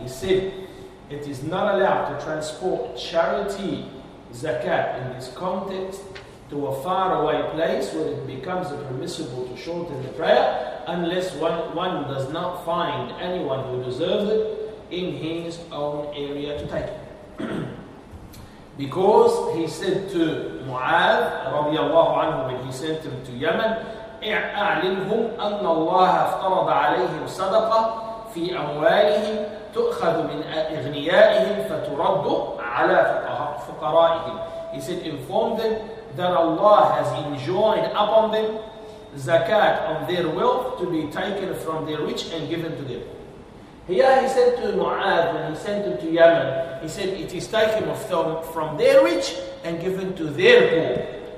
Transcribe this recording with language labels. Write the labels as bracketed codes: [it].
[en] He said, it is not allowed to transport charity, zakat, in this context to a faraway place where it becomes permissible to shorten the prayer unless one does not find anyone who deserves it in his own area to take it. Because he said to Mu'adh radiallahu anhu when he sent him to Yemen, [ar] اَعْلِمْهُمْ أَنَّ اللَّهَ افْتَرَضَ عَلَيْهِمْ صَدَقَةً فِي أَمْوَالِهِمْ تُؤْخَذُ مِنْ أَغْنِيَائِهِمْ فَتُرَدُّ عَلَى فُقَرَائِهِمْ. [en] He said, inform them that Allah has enjoined upon them zakat of their wealth to be taken from their rich and given to them. Here he said to Mu'adh when he sent him to Yemen, he said, it is taken from their rich and given to their poor.